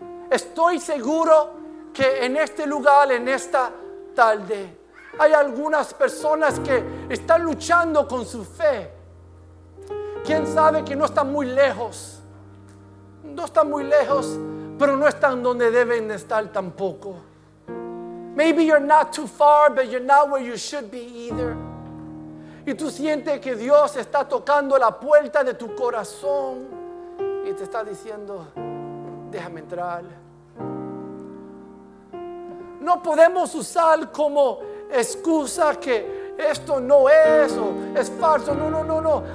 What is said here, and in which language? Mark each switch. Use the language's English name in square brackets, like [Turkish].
[Spanish] Estoy seguro que en este lugar, en esta tarde, hay algunas personas que están luchando con su fe. ¿Quién sabe que no están muy lejos? No están muy lejos, pero no están donde deben estar tampoco. [English] Maybe you're not too far, but you're not where you should be either. [Spanish] Y tú sientes que Dios está tocando la puerta de tu corazón y te está diciendo, déjame entrar. No podemos usar como excusa que esto no es o es falso. No, no, no, no.